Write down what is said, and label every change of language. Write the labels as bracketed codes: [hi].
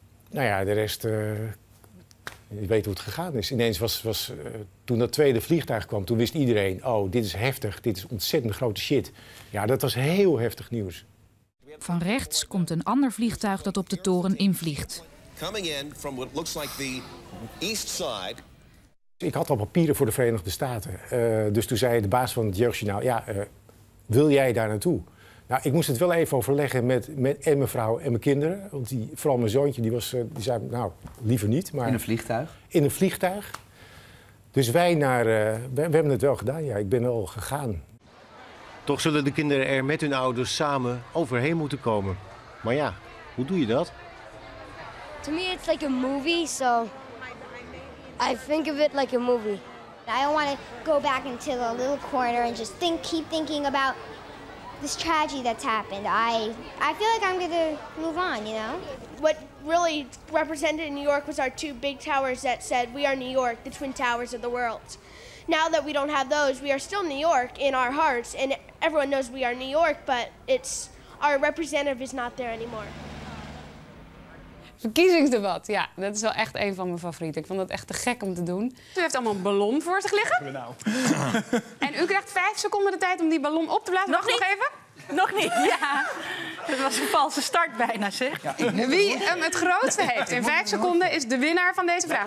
[nl] Nou ja, de rest, je weet hoe het gegaan is. Ineens toen dat tweede vliegtuig kwam, toen wist iedereen, oh, dit is heftig, dit is ontzettend grote shit. Ja, dat was heel heftig nieuws. Van rechts komt een ander vliegtuig dat op de toren invliegt. [en] Coming in from what looks like the east side. [nl] Ik had al papieren voor de Verenigde Staten. Dus toen zei de baas van het jeugdjournaal, ja, wil jij daar naartoe? Nou, ik moest het wel even overleggen met en mijn vrouw en mijn kinderen. Want vooral mijn zoontje, die zei, nou, liever niet. Maar in een vliegtuig? In een vliegtuig. Dus we hebben het wel gedaan, ja, ik ben wel gegaan. Toch zullen de kinderen er met hun ouders samen overheen moeten komen. Maar ja, hoe doe je dat? [en] To me it's like a movie, so I think of it like a movie. I don't want to go back into the little corner and just think, keep thinking about this tragedy that's happened. I feel like I'm gonna move on, you know? What really represented New York was our 2 big towers that said, we are New York, the twin towers of the world. Now that we don't have those, we are still New York in our hearts, and everyone knows we are New York, but it's our representative is not there anymore. [nl] Verkiezingsdebat, ja, dat is wel echt een van mijn favorieten. Ik vond dat echt te gek om te doen. U heeft allemaal een ballon voor zich liggen. En u krijgt 5 seconden de tijd om die ballon op te blazen. Nog niet? Nog even? Nog niet? Ja, dat was een valse start bijna, zeg. Ja. Wie hem het grootste heeft in 5 seconden is de winnaar van deze vraag.